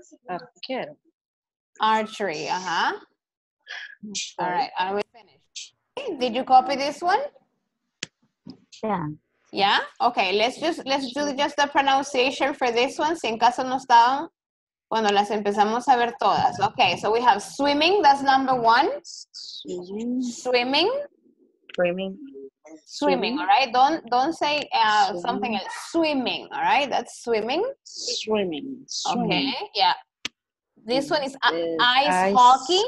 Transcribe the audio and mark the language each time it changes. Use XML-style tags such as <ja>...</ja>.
<en>Okay. Archery, uh-huh. All right, are we finished? Did you copy this one? Yeah. Yeah? Okay, let's do just the pronunciation for this one.</en> <es>Si en caso no estaban, bueno, las empezamos a ver todas.</es> <en>Okay, so we have swimming, that's number one. Swimming. Swimming. Swimming, all right? Don't say something else. Swimming, all right? That's swimming. Swimming. Okay, yeah. This one is ice hockey.</en>